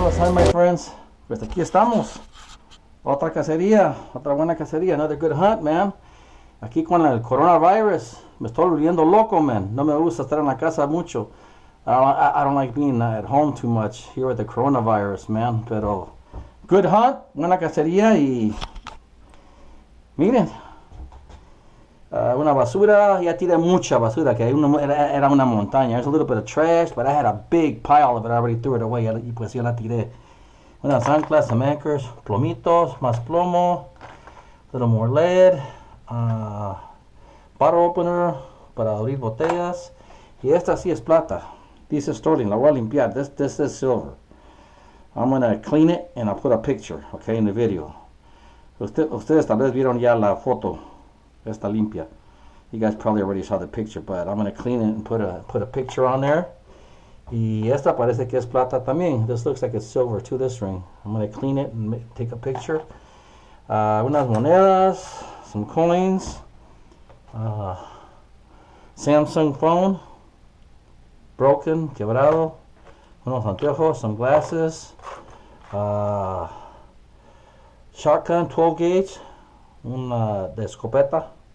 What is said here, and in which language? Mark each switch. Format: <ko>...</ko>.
<es>Aquí estamos, otra cacería, otra buena cacería,</es> <en>another good hunt, man.</en> <es>Aquí con el coronavirus, me estoy volviendo loco, man. No me gusta estar en la casa mucho.</es> <en>I don't like being at home too much here with the coronavirus, man.</en> <es>Pero,</es> <en>good hunt,</en> <es>buena cacería y, miren, una basura, ya tiré mucha basura, que era una montaña.</es> <en>There's a little bit of trash, but I had a big pile of it, I already threw it away,</en> <es>y pues yo la tiré. Unas anclas,</es> <en>some anchors,</en> <es>plomitos, más plomo,</es> <en>a little more lead, bottle opener</en> <es>para abrir botellas, y esta sí es plata.</es> <en>This is sterling,</en> <es>la voy a limpiar.</es> <en>This is silver. I'm going to clean it and I'll put a picture, okay, in the video.</en> <es>Ustedes tal vez vieron ya la foto, esta limpia.</es> <en>You guys probably already saw the picture, but I'm going to clean it and put a picture on there.</en> <es>Y esta parece que es plata también.</es> <en>This looks like it's silver too, this ring. I'm going to clean it and take a picture.</en> <es>Unas monedas,</es> <en>some coins, Samsung phone, broken,</en> <es>quebrado, unos anteojos,</es> <en>some glasses, shotgun, 12 gauge,</en> <es>una de escopeta.</es>